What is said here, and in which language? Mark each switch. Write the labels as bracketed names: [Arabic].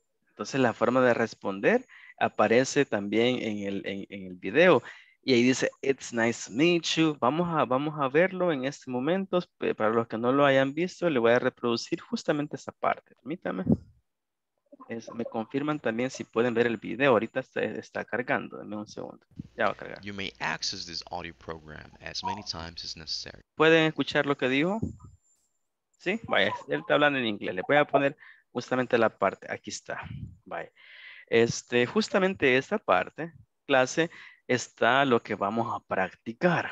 [Spanish] Entonces la forma de responder aparece también en el video. Y ahí dice, [English] it's nice to meet you. [Spanish] Vamos a verlo en este momento. Para los que no lo hayan visto, le voy a reproducir justamente esa parte. Permítame. Me confirman también si pueden ver el video. Ahorita está cargando. Denme un segundo. Ya va a cargar. [English] You may access this audio program as many times as necessary. [Spanish] ¿Pueden escuchar lo que dijo? Sí, vaya. Él está hablando en inglés. Le voy a poner justamente la parte. Aquí está. Vaya. Justamente esta parte, clase, está lo que vamos a practicar.